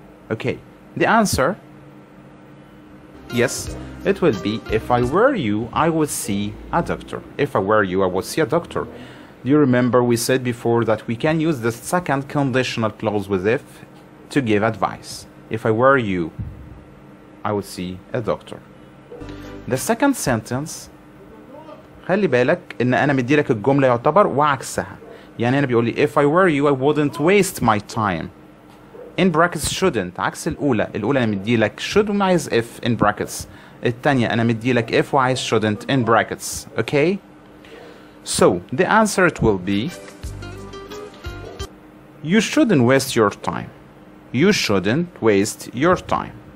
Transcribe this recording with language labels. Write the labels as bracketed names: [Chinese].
[English] Okay, the answer, yes, it will be, if I were you, I would see a doctor. If I were you, I would see a doctor. Do you remember we said before that we can use the second conditional clause with if to give advice? If I were you, I would see a doctor. The second sentence, [Arabic] خلي بالك ان انا مدي لك الجملة يعتبر وعكسها. يعني انا بيقول لي, [English] if I were you, I wouldn't waste my time. In brackets shouldn't, [Arabic] عكس الأولى, الأولى أنا مدي لك [English] should وعايز if in brackets, [Arabic] التانية أنا مدي لك [English] if وعايز shouldn't in brackets, okay? So, the answer it will be, you shouldn't waste your time, you shouldn't waste your time.